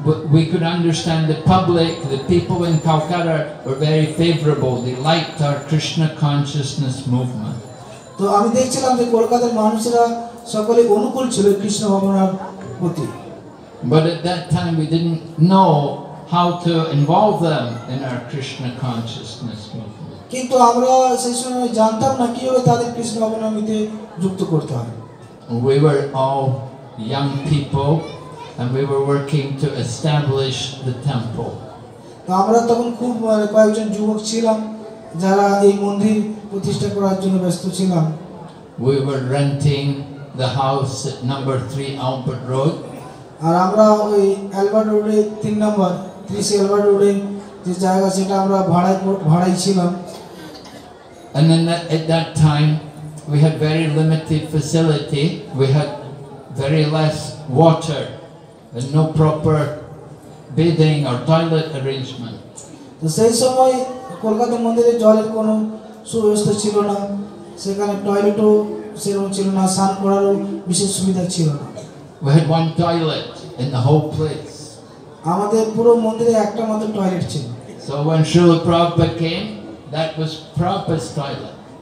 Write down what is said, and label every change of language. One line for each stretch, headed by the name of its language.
English: We could understand the public, the people in Calcutta were very favorable. They liked our Krishna consciousness movement. So I'm seeing that
Bangla: Kolkata manushera সকলে অনুকূল ছিল কৃষ্ণ ভাবনার প্রতি
English: but at that time we didn't know how to involve them in our krishna consciousness movement
Bangla: কিন্তু আমরা সেই সময় জানতাম না কিভাবে তাদের কৃষ্ণ ভাবনার মধ্যে যুক্ত করতে হয়
English: we were all young people and we were working to establish the temple
Bangla: তো আমরা তখন খুব কয়েকজন যুবক ছিলাম যারা এই মন্দির প্রতিষ্ঠা করার জন্য ব্যস্ত ছিলাম
English: we were renting the house at number 3 Albert Road
Bangla: আর আমরা ওই এলবার্ট রোডে 3 নম্বর 3 এলবার্ট রোডে যে জায়গা সেটা আমরা ভাড়াই ছিলাম
English: and then at that time we had very limited facility we had very less water and no proper bathing or toilet arrangement
Bangla: তো সেই সময় কলকাতা মন্দিরে জলের কোনো সুব্যবস্থা ছিল না সেখানে টয়লেটও সেরকম ছিল না স্নান করারও বিশেষ সুবিধা ছিল না
English: we had one toilet in the whole place
Bangla: আমাদের পুরো মন্দিরে একটা মাত্র টয়লেট ছিল
English: so when Srila Prabhupada came that was Prabhupada's toilet